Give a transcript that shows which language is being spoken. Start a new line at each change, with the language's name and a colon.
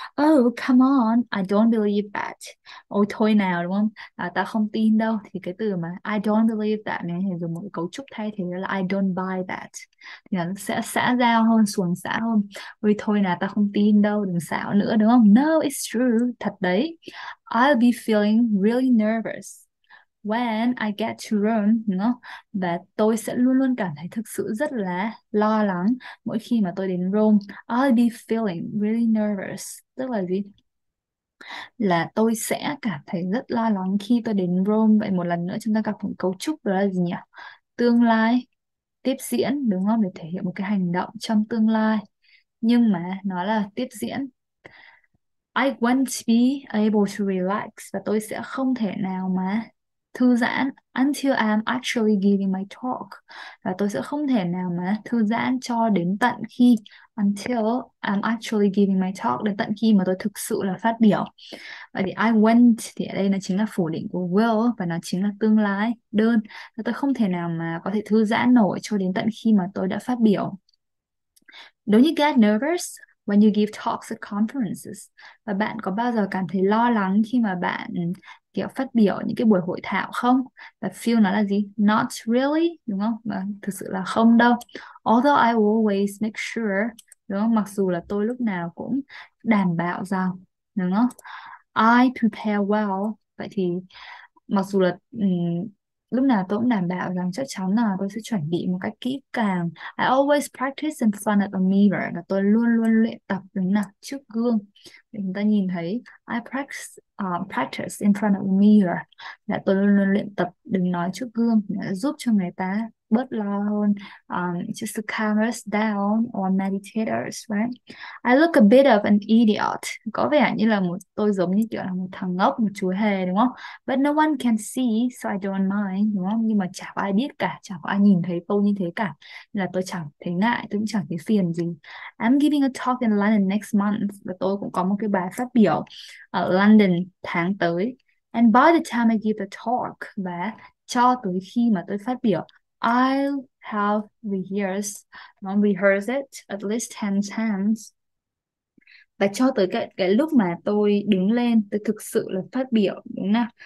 English: Oh, come on, I don't believe that.
Vietnamese: Ôi thôi nào, đúng không? À, ta không tin đâu. Thì cái từ mà
English: I don't believe that
Vietnamese: này, dùng một cấu trúc thay thế là
English: I don't buy that.
Vietnamese: Thì nó sẽ xã giao hơn, xuồng xã hơn. Ôi thôi nào, ta không tin đâu, đừng xạo nữa, đúng không?
English: No, it's true,
Vietnamese: thật đấy.
English: I'll be feeling really nervous when I get to Rome,
Vietnamese: đúng không? Và tôi sẽ luôn luôn cảm thấy thực sự rất là lo lắng mỗi khi mà tôi đến Rome.
English: I'll be feeling really nervous.
Vietnamese: Tức là gì? Là tôi sẽ cảm thấy rất lo lắng khi tôi đến Rome. Vậy một lần nữa chúng ta gặp một cấu trúc đó là gì nhỉ? Tương lai tiếp diễn, đúng không? Để thể hiện một cái hành động trong tương lai. Nhưng mà nó là tiếp diễn.
English: I won't be able to relax.
Vietnamese: Và tôi sẽ không thể nào mà thư giãn
English: until I'm actually giving my talk.
Vietnamese: Và tôi sẽ không thể nào mà thư giãn cho đến tận khi
English: until I'm actually giving my talk,
Vietnamese: đến tận khi mà tôi thực sự là phát biểu. Vậy thì
English: I won't
Vietnamese: thì ở đây nó chính là phủ định của will và nó chính là tương lai đơn. Và tôi không thể nào mà có thể thư giãn nổi cho đến tận khi mà tôi đã phát biểu.
English: Don't you get nervous when you give talks at conferences?
Vietnamese: Và bạn có bao giờ cảm thấy lo lắng khi mà bạn kiểu phát biểu những cái buổi hội thảo không? Và feel nó là gì?
English: Not really,
Vietnamese: đúng không? Và thực sự là không đâu. Although I always make sure, đúng không? Mặc dù là tôi lúc nào cũng đảm bảo rằng, đúng không?
English: I prepare well.
Vietnamese: Vậy thì mặc dù là lúc nào tôi cũng đảm bảo rằng chắc chắn là tôi sẽ chuẩn bị một cách kỹ càng.
English: I always practice in front of a mirror.
Vietnamese: Là tôi luôn luôn luyện tập đứng nào trước gương. Để người ta nhìn thấy.
English: I practice in front of a mirror.
Vietnamese: Là tôi luôn luôn luyện tập đứng nói trước gương. Để giúp cho người ta bớt lo hơn.
English: Just calm us down or meditators, right? I look a bit of an idiot.
Vietnamese: Có vẻ như là một tôi giống như kiểu là một thằng ngốc, một chú hề, đúng không?
English: But no one can see, so I don't mind,
Vietnamese: đúng không? Nhưng mà chả có ai biết cả, chả có ai nhìn thấy tôi như thế cả. Nên là tôi chẳng thấy ngại, tôi cũng chẳng thấy phiền gì.
English: I'm giving a talk in London next month.
Vietnamese: Và tôi cũng có một cái bài phát biểu ở London tháng tới.
English: And by the time I give the talk,
Vietnamese: và cho tới khi mà tôi phát biểu,
English: I'll have rehearsed it at least 10 times.
Vietnamese: Và cho tới cái lúc mà tôi đứng lên, tôi thực sự là phát biểu, đúng nào?